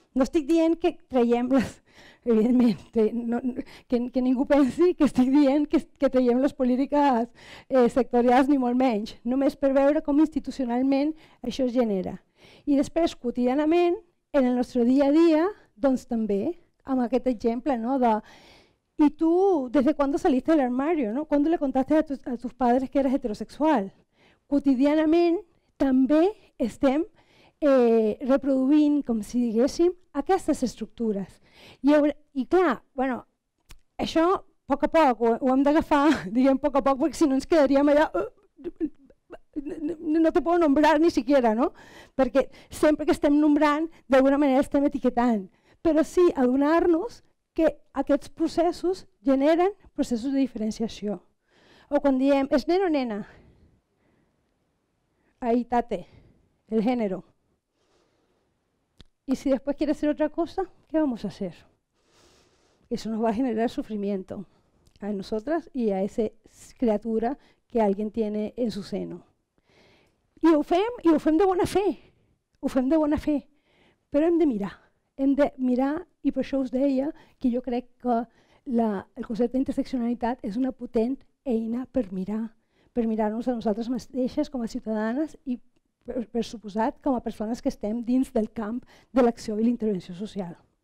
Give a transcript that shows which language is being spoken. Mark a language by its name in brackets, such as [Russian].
[Catalan] No estic dient que traiem-les, evidentment, que ningú pensi que estic dient que traiem les polítiques sectorials, ni molt menys, només per veure com institucionalment això es genera. I després, quotidianament, en el nostre dia a dia, doncs també, amb aquest exemple, no, de i tu, des de quan saliste de l'armari, no? [Spanish] Quan li contaste a tus padres que eres heterosexual? [Catalan] Quotidianament, també estem reproduint, com si diguéssim, aquestes estructures. I clar, bueno, això poc a poc ho hem d'agafar, diguem poc a poc, perquè si no ens quedaríem allà, [Spanish] no te puedo nombrar ni siquiera, [Catalan] no? Perquè sempre que estem nombrant, d'alguna manera estem etiquetant. Però sí, adonar-nos que aquests processos generen processos de diferenciació. O quan diem, és nen o nena? [Spanish] Ahí tate, el género. Y si después quiere hacer otra cosa, ¿qué vamos a hacer? Eso nos va a generar sufrimiento a nosotras y a esa criatura que alguien tiene en su seno. [Catalan] Y ho fem de bona fe, ho fem de bona fe, però hem de mirar, i per això us deia que jo crec que el concepte d'interseccionalitat és una potent eina per mirar-nos a nosaltres mateixes com a ciutadanes i per suposat com a persones que estem dins del camp de l'acció i l'intervenció social.